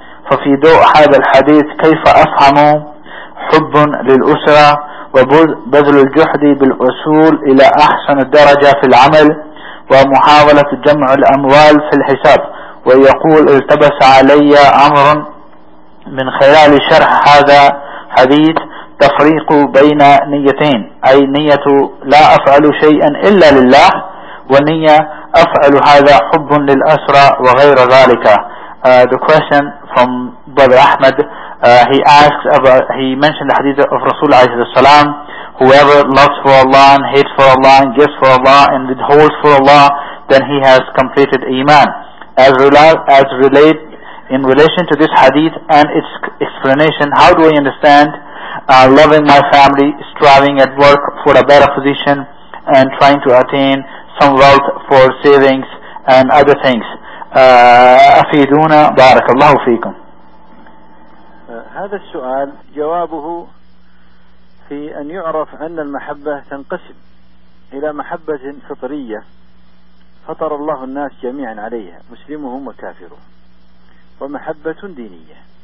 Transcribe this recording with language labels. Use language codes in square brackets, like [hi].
[ar] ففي ضوء هذا الحديث كيف أفهم حب للأسرة وبذل الجهد بالوصول إلى أحسن الدرجة في العمل ومحاولة جمع الأموال في الحساب؟ ويقول: التبس علي أمر من خلال شرح هذا حديث تفريق بين نيتين، أي نية لا أفعل شيئا إلا لله، ونية أفعل هذا حب للأسرة وغير ذلك. [en] The question from Brother Ahmed, he mentioned the hadith of Rasul alayhi salam: whoever loves for Allah and hates for Allah and gives for Allah and withholds for Allah, then he has completed iman. As relate in relation to this hadith and its explanation, how do I understand loving my family, striving at work for a better position, and trying to attain some wealth for savings and other things? [ar] أفيدونا بارك الله فيكم. هذا السؤال جوابه في أن يعرف أن المحبة تنقسم إلى محبة فطرية فطر الله الناس جميعا عليها مسلمهم وكافرهم، ومحبة دينية.